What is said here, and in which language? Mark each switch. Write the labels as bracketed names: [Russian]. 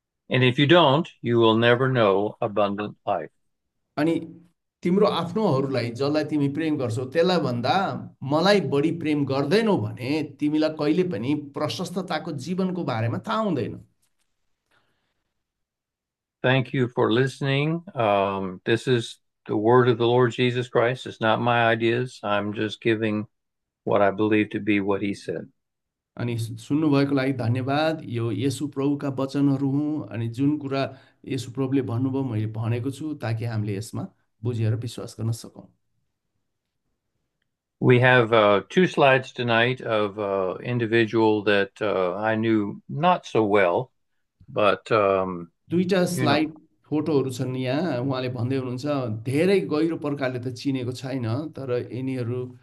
[English] And if you don't, you will never know abundant life. [Nepali] अनि तिम्रो आफ्नोहरूलाई जसलाई तिमी प्रेम गर्छौ त्यसलाई भन्दा मलाई बढी प्रेम गर्दैनौ भने तिमीलाई कहिले पनि प्रशस्तताको जीवनको बारेमा थाहा हुँदैन। [English] Thank you for listening. This is the word of the Lord Jesus Christ. It's not my ideas. I'm just giving what I believe to be what he said. [Nepali] अनि सुन्नुभएको लागि धन्यवाद। यो येशु प्रभुका वचनहरू हुँ अनि जुन कुरा येशु प्रभुले भन्नुभयो मैले भनेको छु ताकि हामीले यसमा बुझेर विश्वास गर्न सकौँ। [English] We have two slides tonight of an individual that I knew not so well, but [Nepali] दुईटा [English] you know. [Nepali] स्लाइड फोटोहरू छन् यहाँ। उहाँले भन्दै हुनुहुन्छ धेरै गहिरो प्रकारले त चिनेको छैन तर यिनीहरू